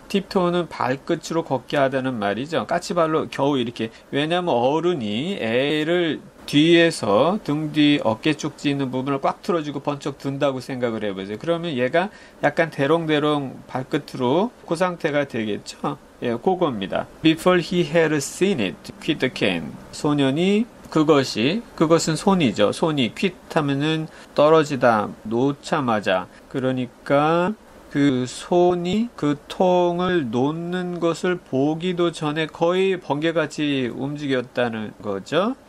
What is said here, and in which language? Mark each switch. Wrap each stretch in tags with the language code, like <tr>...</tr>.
<ko>tiptoe는 발끝으로 걷게 하다는 말이죠. 까치발로 겨우 이렇게. 왜냐면 어른이 애를 뒤에서 등 뒤 어깨 쪽지 있는 부분을 꽉 틀어주고 번쩍 든다고 생각을 해보세요. 그러면 얘가 약간 대롱대롱 발끝으로 그 상태가 되겠죠. 예, 그겁니다.</ko> <en>Before he had seen it, quit the can.</en> <ko>소년이 그것이, 그것은 손이죠. 손이 quit 하면은 떨어지다, 놓자마자. 그러니까 그 손이 그 통을 놓는 것을 보기도 전에 거의 번개같이 움직였다는 거죠.</ko>